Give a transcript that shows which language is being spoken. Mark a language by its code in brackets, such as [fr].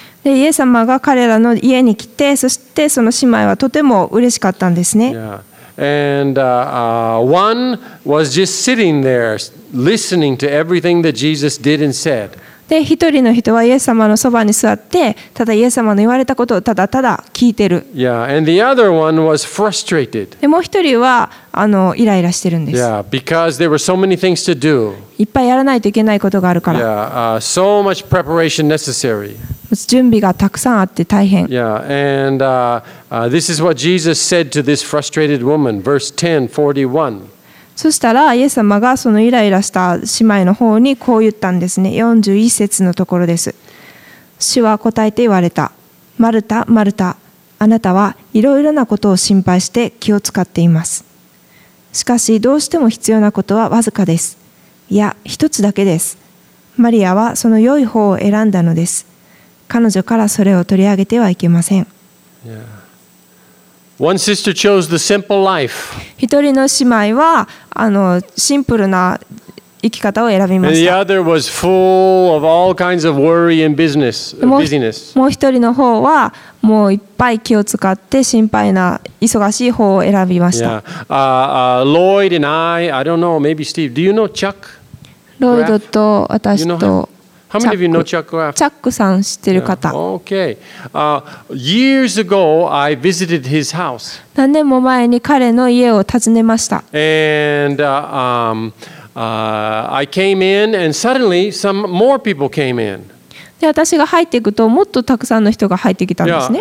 [ja] で、イエス様が彼らの家に来て、そしてその姉妹はとても嬉しかったんですね。 [en] Yeah. And one was just sitting there listening to everything that Jesus did and said. [ja] で一人の人はイエス様のそばに座ってただイエス様の言われたことをただただ聞いてる。 [en] Yeah, and the other one was frustrated. [ja] でもう一人はイライラしてるんです。 [en] Yeah, because there were so many things to do. [ja] いっぱいやらないといけないことがあるから。 [en] Yeah, so much preparation necessary. [ja] 準備がたくさんあって大変。 [en] Yeah, and this is what Jesus said to this frustrated woman, verse 10:41. [ja] そしたらイエス様がそのイライラした姉妹の方にこう言ったんですね。 41節のところです。主は答えて言われた。マルタ、マルタ、あなたはいろいろなことを心配して気を使っています。しかしどうしても必要なことはわずかです。いや、一つだけです。マリアはその良い方を選んだのです。彼女からそれを取り上げてはいけません。 [en] Yeah. One sister chose the simple life. [ja] 一人の姉妹はシンプルな生き方を選びました。 [en] The other was full of all kinds of worry and business. [ja] もう一人の方はもういっぱい気を使って心配な忙しい方を選びました。 [en] Yeah. Lloyd and I don't know, maybe Steve. Do you know Chuck? [ja] ロイドと私と。 [en] You know How many of you know Chuck Graff? [ja] チャックさん知ってる方。 [en] Yeah. Okay. Years ago, I visited his house. [ja] 何年も前に彼の家を訪ねました。 [en] And I came in, and suddenly some more people came in. [ja] で、私が入っていくと、もっとたくさんの人が入ってきたんですね。